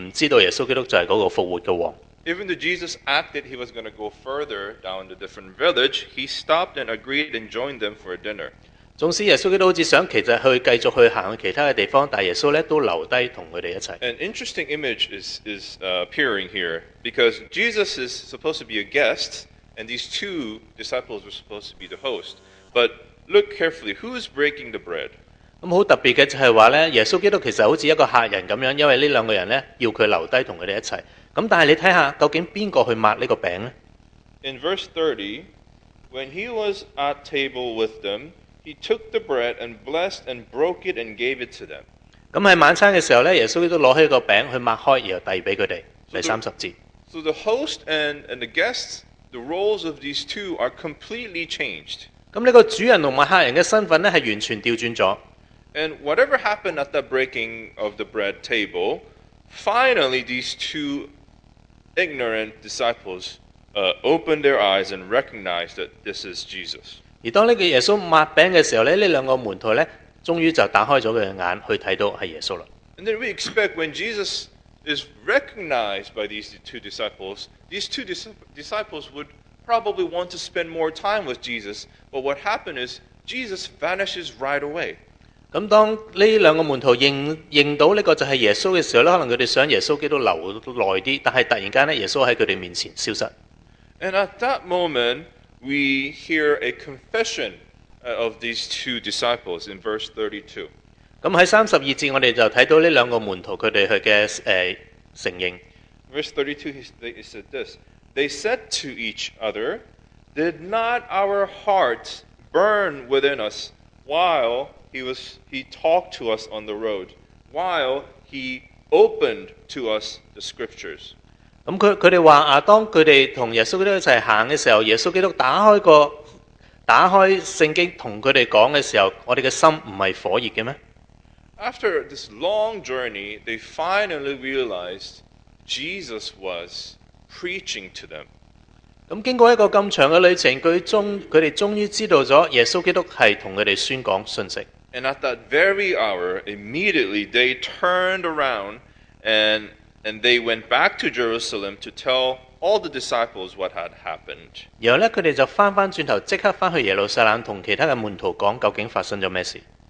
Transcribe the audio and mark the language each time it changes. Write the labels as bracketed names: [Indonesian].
[English] Even though Jesus acted he was going to go further down the different village, he stopped and agreed and joined them for a dinner. [Cantonese] 纵使耶稣基督好似想其实去继续去行去其他嘅地方，但耶稣咧都留低同佢哋一齐。 [English] An interesting image is appearing here because Jesus is supposed to be a guest, and these two disciples were supposed to be the host. But look carefully, who is breaking the bread? [Cantonese] 咁好特别嘅就系话咧，耶稣基督其实好似一个客人咁样，因为呢两个人咧要佢留低同佢哋一齐。咁但系你睇下，究竟边个去抹呢个饼咧 [English] ？In verse 30, when he was at table with them, he took the bread and blessed and broke it and gave it to them. [Cantonese] 咁喺晚餐嘅时候咧，耶稣基督攞起个饼去抹开，然后递俾佢哋。第三十节。 [English] So the host and the guests, the roles of these two are completely changed. [Cantonese] 咁呢个主人同埋客人嘅身份咧系完全调转咗。 [English] And whatever happened at the breaking of the bread table, finally these two ignorant disciples opened their eyes and recognized that this is Jesus. [Cantonese] 而当呢个耶稣擘饼嘅时候咧，呢两个门徒咧，终于就打开咗佢嘅眼，去睇到系耶稣啦。 [English] And then we expect when Jesus is recognized by these two disciples would probably want to spend more time with Jesus. But what happened is Jesus vanishes right away. [Cantonese] 咁当呢两个门徒认到呢个就系耶稣嘅时候咧，可能佢哋想耶稣基督留耐啲，但系突然间咧，耶稣喺佢哋面前消失。 [English] And at that moment, we hear a confession of these two disciples in verse 32. [Cantonese] 咁喺三十二节，我哋就睇到呢两个门徒佢哋嘅承认。 [English] Verse 32, he said this: They said to each other, "Did not our hearts burn within us while?" He talked to us on the road while he opened to us the scriptures. [Cantonese] 咁佢哋话啊，当佢哋同耶稣基督一齐行嘅时候，耶稣基督打开圣经同佢哋讲嘅时候，我哋嘅心唔系火热嘅咩 [English] ？After this long journey, they finally realized Jesus was preaching to them. [Cantonese] 咁经过一个咁长嘅旅程，佢哋终于知道咗耶稣基督系同佢哋宣讲信息。 [English] And at that very hour, immediately they turned around and they went back to Jerusalem to tell all the disciples what had happened. [Cantonese] 然后呢，他们就翻翻转头，即刻翻去耶路撒冷，同其他的门徒讲究竟发生了什么事。